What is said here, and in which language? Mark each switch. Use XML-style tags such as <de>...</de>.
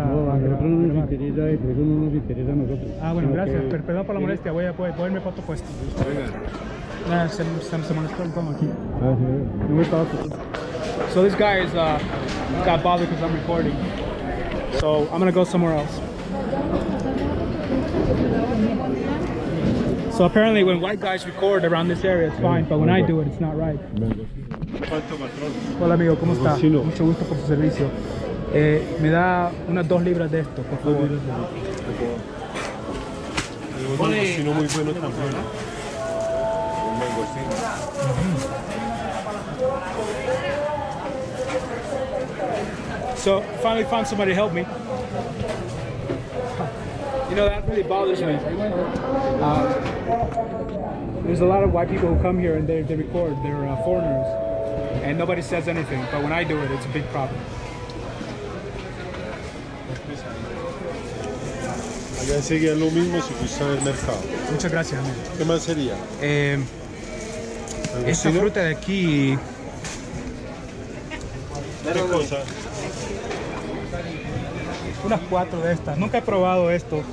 <es>No, a nosotros no nos interesa eso, eso no nos interesa a nosotros. Ah, bueno, gracias, que... perdón por la molestia, voy a irme para otro puesto. Venga. Se molestó el tono aquí. Ah, sí, no me estaba.</es> <en>So this guy is got bothered because I'm recording. So I'm gonna go somewhere else. So apparently when white guys record around this area, it's fine, but when I do it, it's not right.</en> <es>Hola amigo, ¿cómo está? Mucho gusto por su servicio. Me da unas 2 libras de esto, por favor. Es un mangostino muy bueno también. Un mangostino.</es> <en>So, finally found somebody to help me. You know, that really bothers me. There's a lot of white people who come here and they record. They're foreigners. And nobody says anything. But when I do it, it's a big problem.</en> <es>Allá sería lo mismo si fuiste al mercado. Muchas gracias, amigo. ¿Qué más sería? Esta fruta de aquí. ¿Qué cosa? Unas cuatro de estas. Nunca he probado esto.</es>